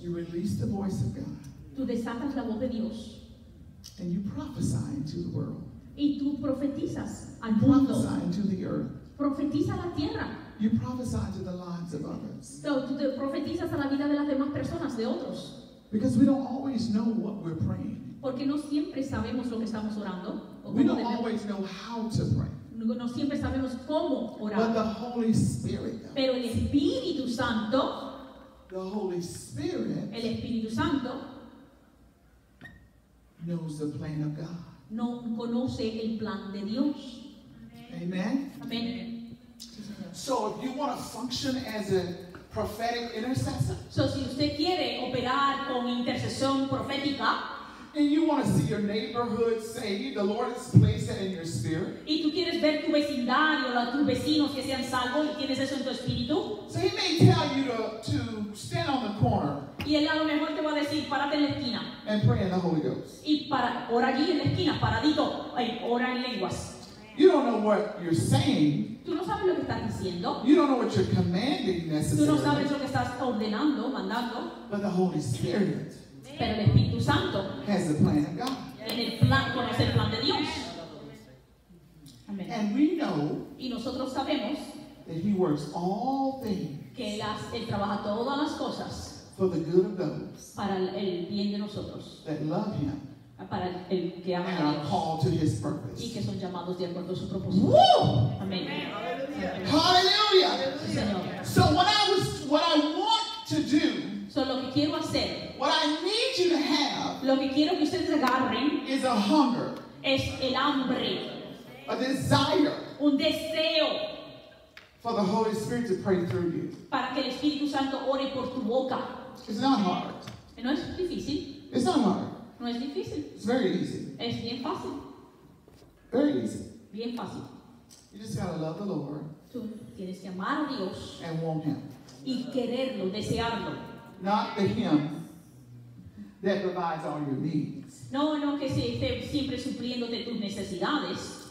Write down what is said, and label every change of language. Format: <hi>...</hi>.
<en>You release the voice of God.</en> <es>Tú desatas la voz de Dios.</es> <en>And you prophesy into the world.</en> <es>Y tú profetizas al mundo.</es> <en>Prophesy into the earth.</en> <es>Profetiza la tierra.</es> <en>You prophesy to the lives of others.</en> <es>So, tú te profetizas a la vida de las demás personas, de otros.</es> <en>Because we don't always know what we're praying.</en> <es>Porque no siempre sabemos lo que estamos orando.</es> <en>We don't always know how to pray.</en> <es>No siempre sabemos cómo orar.</es> <en>But the Holy Spirit.</en> <es>Pero el Espíritu Santo.</es> <en>The Holy Spirit.</en> <es>El Espíritu Santo.</es> <en>Knows the plan of God.</en> <es>No conoce el plan de Dios.</es> <en>Amen.</en> <es>Amen.</es> <en>So if you want to function as a prophetic intercessor,</en> <es>so si usted quiere operar con intercesión profética,</es> <en>and you want to see your neighborhood saved, the Lord has placed that in your spirit.</en> <es>Y tú quieres ver tu vecindario, a tus vecinos que sean salvos, y tienes eso en tu espíritu.</es> <en>So he may tell you to stand on the corner.</en> <es>Y él a lo mejor te va a decir, párate en la esquina.</es> <en>And pray in the Holy Ghost.</en> <es>Y para ora allí en la esquina, paradito, ay, ora en lenguas.</es> <en>You don't know what you're saying.</en> <es>Tú no sabes lo que estás diciendo.</es> <en>You don't know what you're commanding necessarily.</en> <es>Tú no sabes lo que estás ordenando, mandando.</es> <en>But the Holy Spirit.</en> <es>Pero el Espíritu Santo.</es> <en>Has the plan of God.</en> <es>En el plan, conoce el plan de Dios.</es> <en>Amen. And we know.</en> <es>Y nosotros sabemos.</es> <en>That He works all things.</en> <es>Que él trabaja todas las cosas.</es> <en>For the good of those.</en> <es>Para el bien de nosotros.</es> <en>That love Him.</en> <es>Para el que ama</es> <en>and are called to His purpose.</en> <es>Y que son llamados de acuerdo a su propósito. Woo!</es> <en>Amen. Hallelujah.</en> <es>Señor.</es> <en>So what I want to do.</en> <es>So lo que quiero hacer.</es> <en>What I need you to have.</en> <es>Lo que quiero que ustedes agarren.</es> <en>Is a hunger.</en> <es>Es el hambre.</es> <en>A desire.</en> <es>Un deseo.</es> <en>For the Holy Spirit to pray through you.</en> <es>Para que el Espíritu Santo ore por tu boca.</es> <en>It's not hard.</en> <es>No es difícil.</es> <en>It's not hard.</en> <es>No es difícil.</es> <en>It's very easy.</en> <es>Es bien fácil.</es> <en>Very easy.</en> <es>Bien fácil.</es> <en>You just gotta love the Lord.</en> <es>Tú tienes que amar a Dios.</es> <en>And want Him.</en> <es>Y quererlo, desearlo.</es> <en>Not the Him that provides all your needs.</en> <es>No, que se esté siempre supliendo de tus necesidades.</es>